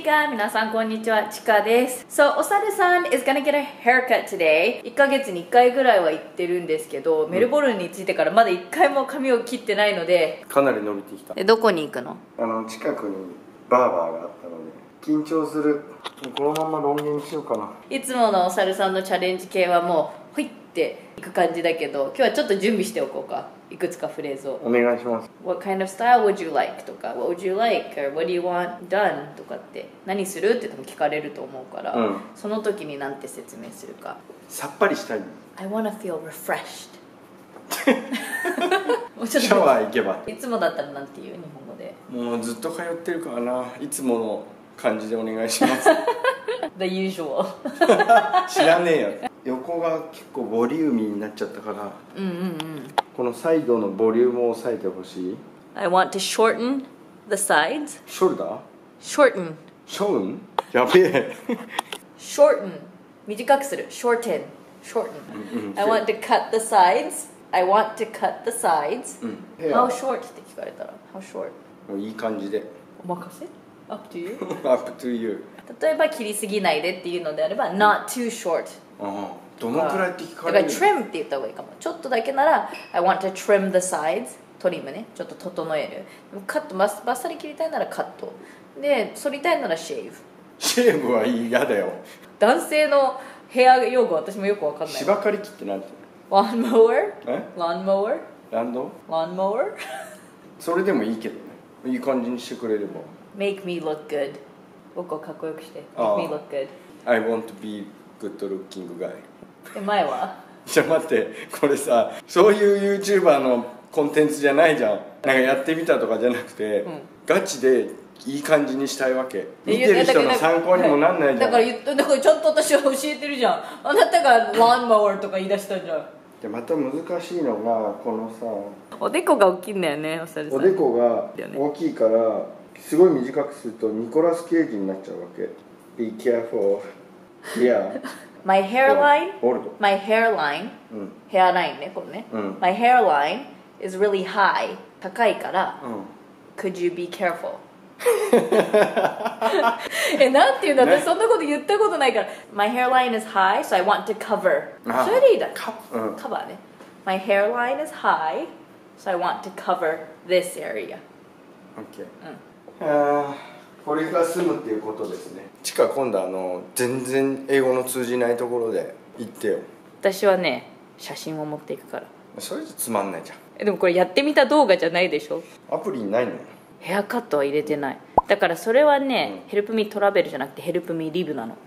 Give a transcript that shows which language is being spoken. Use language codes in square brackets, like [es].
[ja] 皆さんこんにちは、ちかです。 [en] So, お猿さん is gonna get a haircut today. [ja] 1ヶ月に1回ぐらいは行ってるんですけど、メルボルンに着いてからまだ1回も髪を切ってないので、かなり伸びてきた。で、どこに行くの？あの、近くにバーバーがあったので、緊張する。このままロン毛にしようかな。いつものお猿さんのチャレンジ系はもうほいって行く感じだけど、今日はちょっと準備しておこうか。いくつかフレーズをお願いします。 [en] What kind of style would you like? とか What would you like? Or what do you want done? [ja] とかって、何するって多分聞かれると思うから、うん、その時に何て説明するか。さっぱりしたい。 [en] I wanna feel refreshed. [ja] シャワー行けば。いつもだったらなんて言う、日本語で。もうずっと通ってるからな、いつもの感じでお願いします。 [en] The usual. [ja] 知らねえよ。横が結構ボリューミーになっちゃったから、このサイドのボリュームを抑えてほしい。 [en] I want to shorten the sides. Shoulder? Shorten. Shorten? やべえ。 Shorten. 短くする。Shorten. Shorten. I want to cut the sides. I want to cut the sides. How short? [ja] って聞かれたら。 [en] How short? [ja] もういい感じで。 [en] お任せ。Up to you. Up to you. [ja] 例えば切りすぎないでっていうのであれば、 [en] Not too short. [ja] どのくらいって聞かれる。だから trim って言った方がいいかも。ちょっとだけなら [en] I want to trim the sides. [ja] トリムね、ちょっと整える。でもカット、バッサリ切りたいならカットで、剃りたいならシェーブ。シェーブは嫌だよ。男性のヘア用語私もよく分かんない。芝刈り機って何て言うの。ランモーえ、ランモーランドランモーそれでもいいけどね、いい感じにしてくれれば。 [en] Make me look good. [ja] 僕をかっこよくして。 [en] Make me look good. I want to be good looking guy. [ja] 前は。じゃあ待って、これさ、そういう YouTuber のコンテンツじゃないじゃん。なんかやってみたとかじゃなくて、うん、ガチでいい感じにしたいわけ。見てる人の参考にもなんないじゃん。だから言った、だからちょっと私は教えてるじゃん。あなたがランマワーとか言い出したじゃん。でまた難しいのが、このさ、おでこが大きいんだよね、おさるさん。おでこが大きいから、すごい短くするとニコラス・ケイジになっちゃうわけ。 [en] Be careful. Yeah. My hairline, Bold. My hairline,、 [ja] うん、ヘアラインね、これね、うん、 [en] My hairline is really high, [ja] 高いから、うん、 [en] Could you be careful? [ja] え、なんて言うんだ、ね、私そんなこと言ったことないから。 [en] My hairline is high, so I want to cover. [ja] それでいいだ、うん、カバーね。 [en] My hairline is high, so I want to cover this area. OK、 [ja] うん、これが済むっていうことですね。ちか、今度あの全然英語の通じないところで行ってよ。私はね、写真を持っていくから。それじゃつまんないじゃん。え、でもこれやってみた動画じゃないでしょ。アプリにないの。ヘアカットは入れてない。だからそれはね、うん、ヘルプミートラベルじゃなくてヘルプミーリブなの。